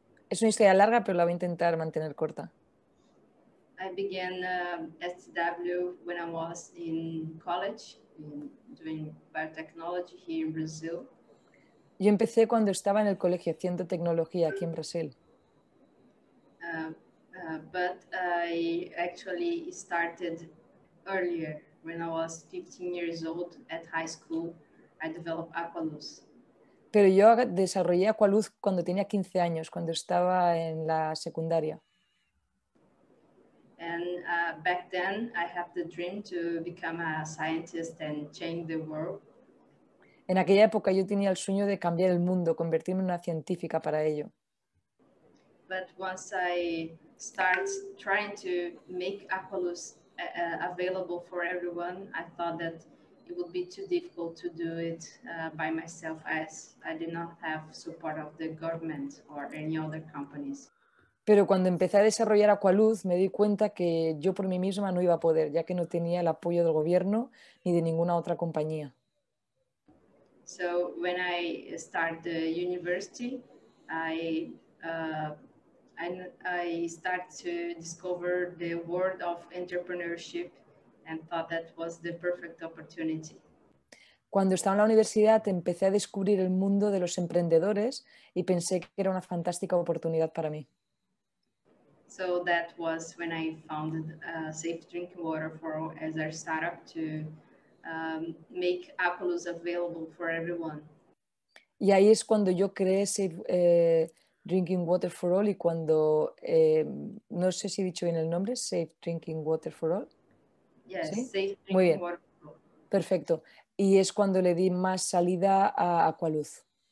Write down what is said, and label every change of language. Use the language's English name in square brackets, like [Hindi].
[Spanish] Es una historia larga, pero la voy a intentar mantener corta. [English] I began SDW when I was in college, doing biotechnology here in Brazil. [Spanish] Yo empecé cuando estaba en el colegio haciendo tecnología aquí en Brasil. [English] But I actually started earlier, when I was 15 years old at high school. I developed Aqualuz. [Spanish] Pero yo desarrollé Aqualuz cuando tenía 15 años, cuando estaba en la secundaria. [English] And back then I had the dream to become a scientist and change the world. [Spanish] En aquella época yo tenía el sueño de cambiar el mundo, convertirme en una científica para ello. [English] But once I start trying to make Aqualuz available for everyone, I thought that it would be too difficult to do it by myself, as I did not have support of the government or any other companies. [Spanish] Pero cuando empecé a desarrollar Aqualuz, me di cuenta que yo por mí misma no iba a poder, ya que no tenía el apoyo del gobierno ni de ninguna otra compañía. [English] So when I started the university, I started to discover the world of entrepreneurship. And thought that was the perfect opportunity. [Spanish] Cuando estaba en la universidad, empecé a descubrir el mundo de los emprendedores y pensé que era una fantástica oportunidad para mí. [English] So that was when I founded Safe Drinking Water for All as our startup to make Aqualuz available for everyone. [Spanish] Y ahí es cuando yo creé Safe Drinking Water for All y cuando no sé si he dicho bien el nombre, Safe Drinking Water for All. [English] Yes, [Spanish] ¿sí? [English] Safe. [Spanish] Muy bien. Perfecto. Y es cuando le di más salida a Aqualuz.